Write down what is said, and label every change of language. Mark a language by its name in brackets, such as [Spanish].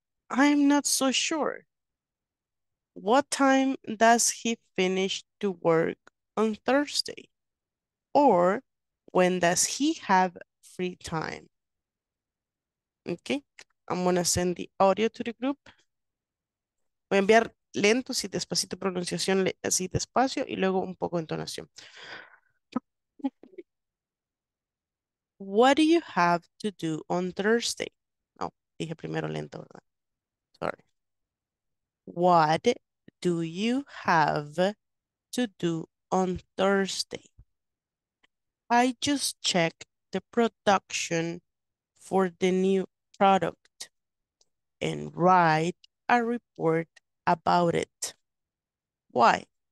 [English] I'm not so sure. What time does he finish to work on Thursday? Or when does he have free time? Okay, I'm gonna send the audio to the group. [Spanish] Voy a enviar lento, si despacito pronunciación, así despacio, y luego un poco de entonación. [English] What do you have to do on Thursday? [Spanish] No, dije primero lento, ¿verdad? [English] Sorry. What do you have to do on Thursday? I just checked the production for the new product and write a report about it. Why?